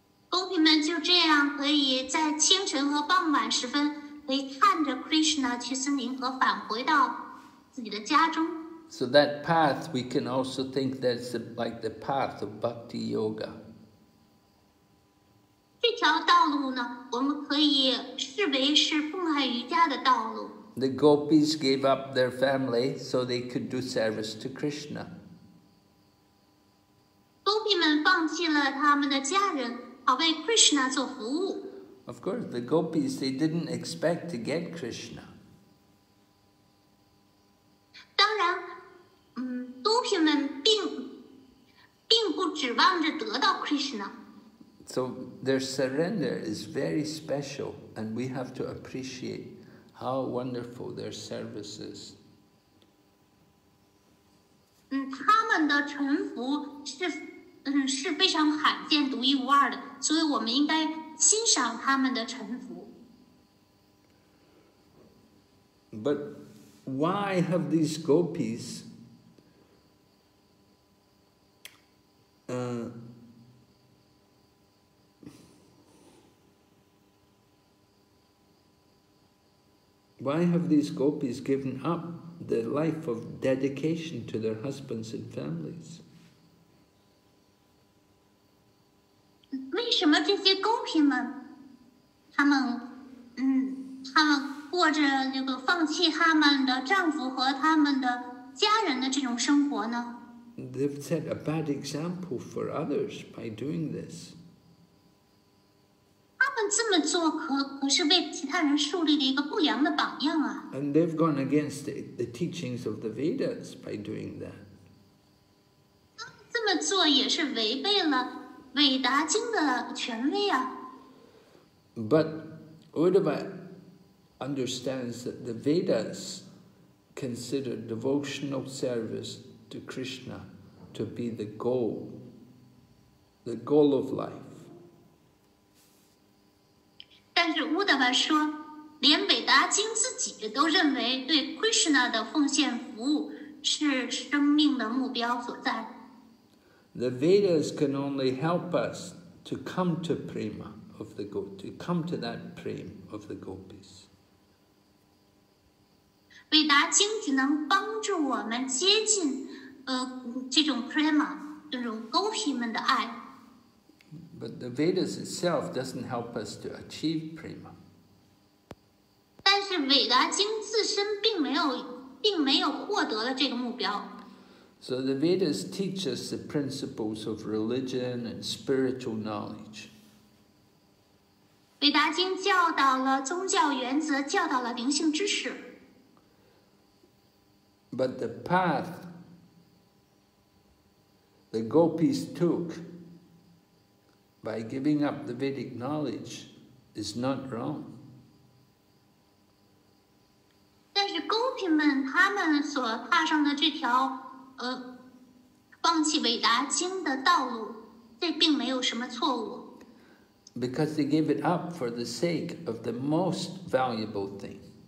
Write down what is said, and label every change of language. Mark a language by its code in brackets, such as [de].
[zh] Gopi 们就这样可以在清晨和傍晚时分可以看着 Krishna 去森林和返回到自己的家中。 [en] So that path, we can also think that's like the path of Bhakti Yoga. [zh] 这条道路呢我们可以视为是奉爱瑜伽的道路。 [en] The gopis gave up their family so they could do service to Krishna. [zh] Gopi 们放弃了他们的家人，好为 Krishna 做服务。 [en] Of course, the gopis they didn't expect to get Krishna. [zh] 当然，gopi 们并不指望着得到 Krishna。 [en] So their surrender is very special, and we have to appreciate how wonderful their service is. [zh] 他们的臣服是非常罕见、独一无二的，所以我们应该欣赏他们的臣服。 [en] But why have these gopis? Why have these gopis given up the life of dedication to their husbands and families? [zh] 为什么这些勾品们，他们他们过着那个放弃他们的丈夫和他们的家人的这种生活呢？ [en] They've set a bad example for others by doing this. [zh] 他们这么做可是为其他人树立了一个不良的榜样啊。 [en] And they've gone against the teachings of the Vedas by doing that. [zh] 这么做也是违背了韦达经的权威啊。 [en] But Uddhava understands that the Vedas consider devotional service to Krishna to be the goal of life. [zh] 但是 Uddhava 说，连韦达经自己都认为对 Krishna 的奉献服务是生命的目标所在。 [en] The Vedas can only help us to come to prema. Of the go to come to that prem of the gopis. [zh] 韦达经只能帮助我们接近，这种 prema， 这种 gopi 们的爱。 [en] But the Vedas itself doesn't help us to achieve prema. [zh] 但是韦达经自身并没有获得了这个目标。 [en] So the Vedas teach us the principles of religion and spiritual knowledge. [zh] 韦达经教导了宗教原则，教导了灵性知识。 [en] But the path the gopis took by giving up the Vedic knowledge is not wrong. [zh] 但是 gopi 们他们所踏上的这条放弃韦达经的道路，这并没有什么错误。 [en] Because they gave it up for the sake of the most valuable thing.